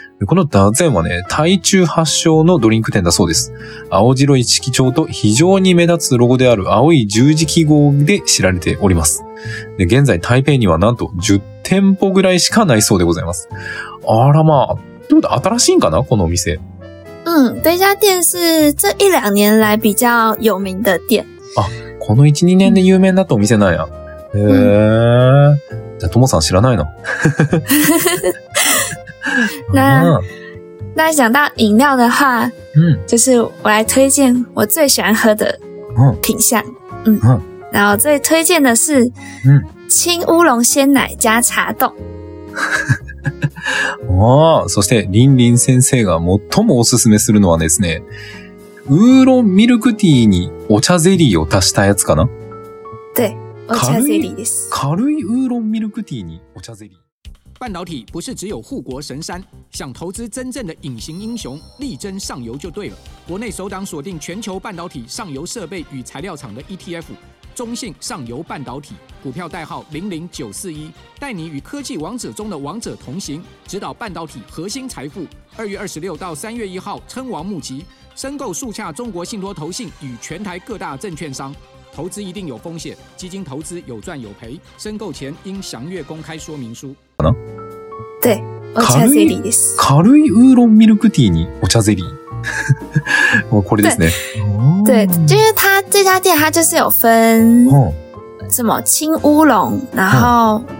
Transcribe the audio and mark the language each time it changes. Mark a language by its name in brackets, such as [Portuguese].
[Japanese] このダゼンはね、台中発祥のドリンク店だそうです。青白い色調と非常に目立つロゴである青い十字記号で知られております。で現在台北にはなんと10店舗ぐらいしかないそうでございます。あらまあ、どうだ、新しいんかな、このお店。 [Chinese] 嗯，这家店是这一两年来比较有名的店。 [Japanese] 啊，この1、2年で有名だったお店なんや。じゃあ、トモさん知らないの。 [Chinese] 那想到饮料的话，就是我来推荐我最喜欢喝的品项。然后最推荐的是青乌龙鲜奶加茶冻。 [Japanese] 哦，そしてリンリン先生が最もおすすめするのはですね、ウーロンミルクティーにお茶ゼリーを足したやつかな。对，お茶ゼリーです。軽いウーロンミルクティーにお茶ゼリー。 [Chinese] 半导体不是只有护国神山，想投资真正的隐形英雄，力争上游就对了。国内首档锁定全球半导体上游设备与材料厂的 ETF， 中信上游半导体，股票代号00941，带你与科技王者中的王者同行，指导半导体核心财富。 2月26到3月1号称王募集，申购速洽中国信托投信与全台各大证券商。投资一定有风险，基金投资有赚有赔，申购前应详阅公开说明书。 [Japanese] 对，お茶ゼリーです。軽いウーロンミルクティーにお茶ゼリー。もうこれですね。 [Chinese] 对，就是它这家店，它就是有分什么青乌龙，然后